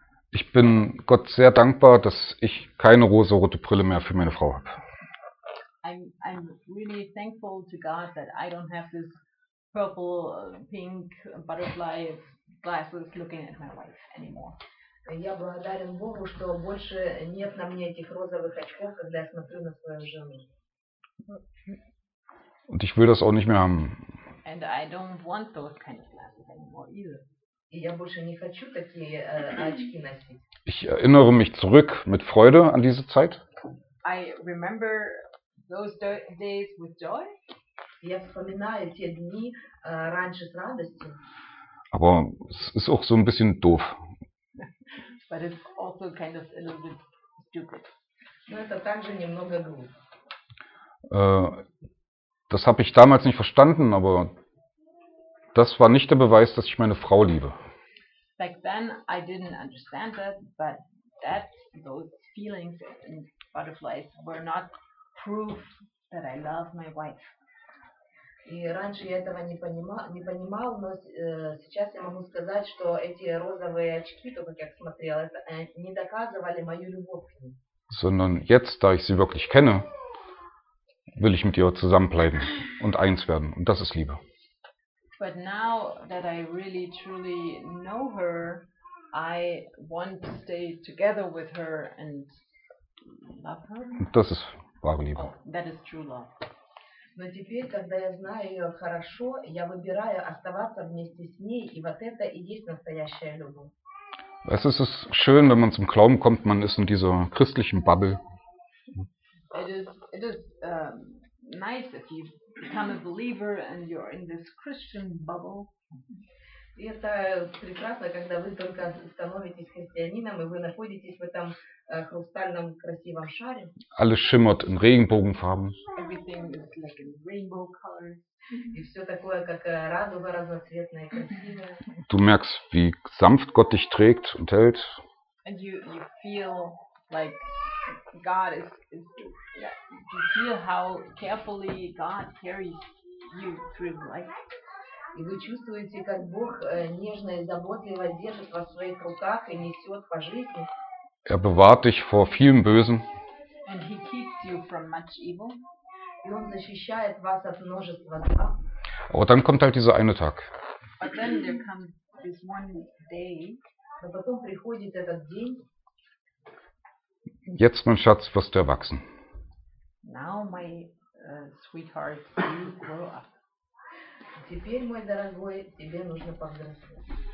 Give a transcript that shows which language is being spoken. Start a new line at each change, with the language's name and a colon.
German: Ich bin Gott sehr dankbar, dass ich keine rosa-rote Brille mehr für meine Frau habe.
English: I'm really thankful to God that I don't have this purple, pink butterfly glasses looking at my wife anymore.
Russian: Я благодарен Богу, что больше нет на мне этих розовых очков, когда я смотрю на свою жену.
German: Und ich will das auch nicht mehr haben.
English: And I don't want those kind of glasses anymore either.
Russian: И я больше не хочу такие очки носить.
German: Ich erinnere mich zurück mit Freude an diese Zeit.
English: I remember those days with joy.
Russian: Я вспоминаю те дни раньше с радостью.
German: Aber es ist auch so ein bisschen doof.
English: But it's also kind of a little bit stupid.
Russian: Но это также немного глупо.
German: Das habe ich damals nicht verstanden, aber das war nicht der Beweis, dass ich meine Frau liebe.
English: Back then I didn't understand that, but that those feelings and butterflies were not proof that I love my wife.
Russian: И раньше я этого не понимал, но сейчас я могу сказать, что эти розовые очки, то как я смотрел, это не доказывали мою любовь к ней.
German: sondern jetzt, da ich sie wirklich kenne, will ich mit ihr zusammenbleiben und eins werden. Und das ist Liebe.
English: But now that I really truly know her, I want to stay together with her and love her.
German: Und das ist wahre Liebe.
English: That is true love.
Russian: Но теперь, когда я знаю ее хорошо, я выбираю оставаться вместе с ней, и вот это и есть настоящая любовь.
German: Es ist schön, wenn man zum Glauben kommt, man ist in dieser christlichen Bubble.
English: It is nice if you become a believer and you're in this Christian bubble.
Russian: И это прекрасно, когда вы только становитесь христианином, и вы находитесь в этом хрустальном красивом шаре.
German: Alles schimmert in Regenbogenfarben.
English: Everything is like in rainbow colors.
Russian: И все такое, как радуга разноцветная, красивая.
German: Du merkst, wie sanft Gott dich trägt und hält.
English: And you feel like God is yeah, you feel how carefully God carries you through life.
Russian: И вы чувствуете, как Бог нежно и заботливо держит вас в своих руках и несет по жизни.
German: Er bewahrt dich vor vielem Bösen.
English: And he keeps you from much evil.
Russian: И он защищает вас от множества зла.
German: Aber dann kommt halt dieser eine Tag.
English: But then there comes this one day.
Russian: Но потом приходит этот день.
German: Jetzt, mein Schatz, wirst du erwachsen.
English: Now, my sweetheart, you grow up.
Russian: Теперь, мой дорогой, тебе нужно повзрослеть.